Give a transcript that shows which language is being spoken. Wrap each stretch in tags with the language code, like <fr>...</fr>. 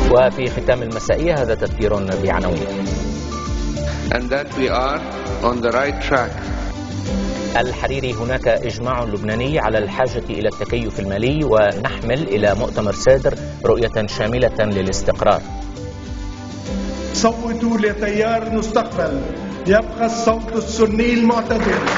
<ar>في ختام المسائية هذا تذكير بعناوين.</ar> <en>And that we are on the right track.</en> <ar>الحريري: هناك إجماع لبناني على الحاجة إلى التكيف المالي ونحمل إلى مؤتمر صادر رؤية شاملة للاستقرار. صوتوا لتيار المستقبل، يبقى الصوت السني المعتدل.</ar>